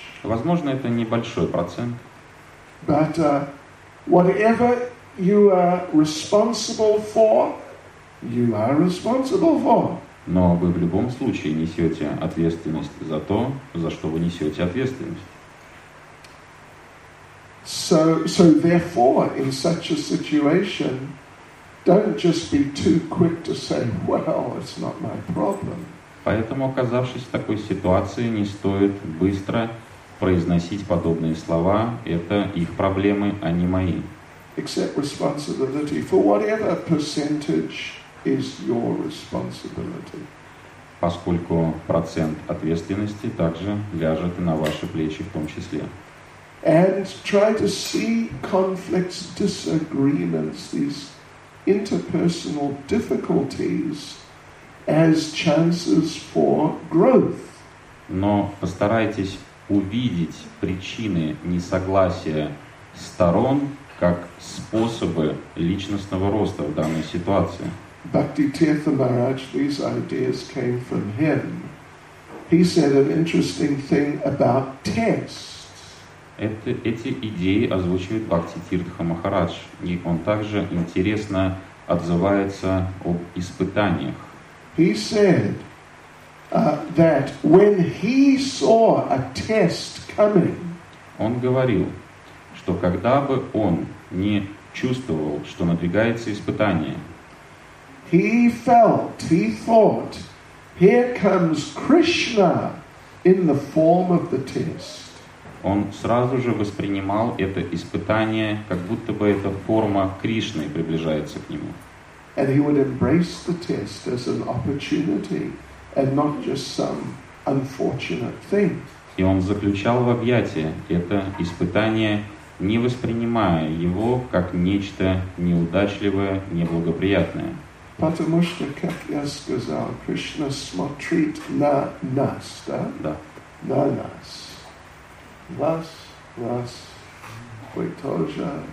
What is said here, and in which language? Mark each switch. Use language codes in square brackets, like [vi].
[ru] Возможно, это небольшой процент. [en] But whatever you are responsible for, you are responsible for. [ru] Но вы в любом случае несете ответственность за то, за что вы несете ответственность. [en] So therefore, in such a situation, don't just be too quick to say, well, it's not my problem. [ru] Поэтому, оказавшись в такой ситуации, не стоит быстро произносить подобные слова. Это их проблемы, а не мои. [en] Accept responsibility for whatever percentage is your responsibility. [ru] Поскольку процент ответственности также ляжет на ваши плечи в том числе. [en] And try to see conflicts, disagreements, these interpersonal difficulties as chances for growth. [ru] Но постарайтесь увидеть причины несогласия сторон как способы личностного роста в данной ситуации. [en] Bhakti Tirtha Maharaj, these ideas came from him. He said an interesting thing about tests. [ru] Эти идеи озвучивает Бхакти Тиртха Махарадж, и он также интересно отзывается об испытаниях. [en] He said that when he saw a test coming, [ru] он говорил, что когда бы он не чувствовал, что надвигается испытание, [en] he felt, he thought, here comes Krishna in the form of the test. [ru] Он сразу же воспринимал это испытание, как будто бы эта форма Кришны приближается к нему. [en] And he would embrace the test as an opportunity and not just some unfortunate thing. [ru] И он заключал в объятия это испытание, не воспринимая его как нечто неудачливое, неблагоприятное. Потому что, как я сказал, Кришна смотрит на нас, да? Да. На нас. Вас, вас, вы тоже.